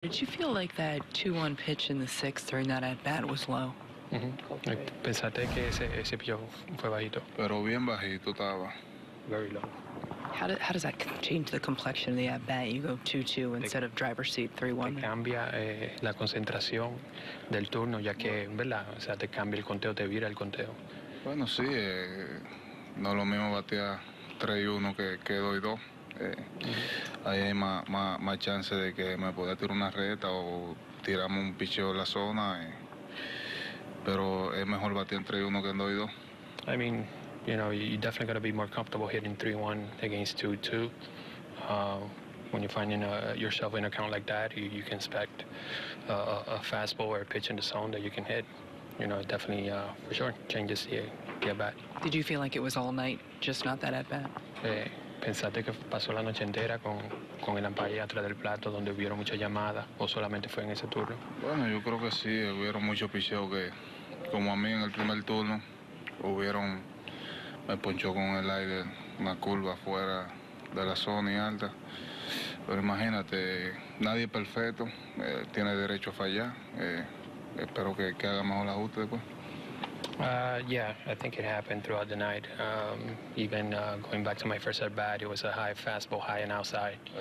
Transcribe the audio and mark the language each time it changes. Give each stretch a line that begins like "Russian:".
English: Did you feel like that 2-1 pitch in the sixth during that at-bat was low?
Spanish: Pensaste que ese piojo fue bajito. Pero bien bajito estaba.
English: Very low. How does that change the complexion of the at-bat? You go 2-2 instead of driver's seat 3-1.
Spanish: Te cambia la concentración del turno, ya que, ¿verdad? O sea, te cambia el conteo, te vira el conteo. Bueno, sí. No lo mismo batea 3-1 que 2-2. Ahí hay más chance de que me pueda tirar una reta o tiramos un picheo en la zona. Pero es mejor batir en 3-1 que en 2-2.
English: I mean, you know, you definitely got to be more comfortable hitting 3-1 against 2-2. When you're finding yourself in a count like that, you can expect a fastball or a pitch in the zone that you can hit. You know, it definitely, for sure, changes the at-bat. Did you feel like it was all night, just not that at-bat?
Spanish: ¿Pensaste que pasó la noche entera con el umpire atrás del plato donde hubieron muchas llamadas o solamente fue en ese turno? Bueno, yo creo que sí, hubieron muchos picheos que, como a mí en el primer turno, me ponchó con el aire una curva fuera de la zona y alta. Pero imagínate, nadie es perfecto, tiene derecho a fallar. Espero que haga mejor ajuste después.
English: Yeah, I think it happened throughout the night. Going back to my first at bat, it was a high fastball, high and outside.